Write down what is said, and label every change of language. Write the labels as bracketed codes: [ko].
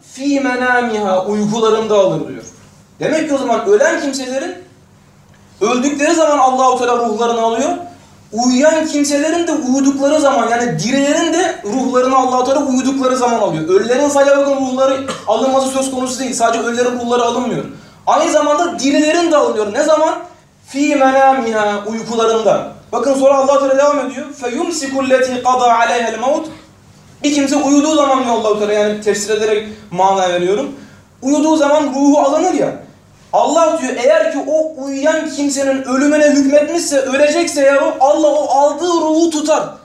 [ar] فِي مَنَامِهَا [tr] Uykularında alır diyor. Demek ki o zaman ölen kimselerin öldükleri zaman Allah-u Teala ruhlarını alıyor. Uyuyan kimselerin de uyudukları zaman, yani dirilerin de ruhlarını Allah-u Teala uyudukları zaman alıyor. Ölülerin sadece bakın ruhları alınması söz konusu değil. Sadece ölülerin ruhları alınmıyor. Aynı zamanda dirilerin de alınıyor. Ne zaman? [ar] فِي مَنَامِهَا [tr] Uykularında. Bakın sonra Allah-u Teala devam ediyor. [ar] فَيُمْسِكُ الَّتِي قَضَى عَلَيْهَا الْمَوْتِ [tr] Bir kimse uyuduğu zaman diyor Allah-u Teala, yani tefsir ederek mana veriyorum. Uyuduğu zaman ruhu alınır ya. Allah diyor eğer ki o uyuyan kimsenin ölümüne hükmetmişse, ölecekse ya Allah o aldığı ruhu tutar.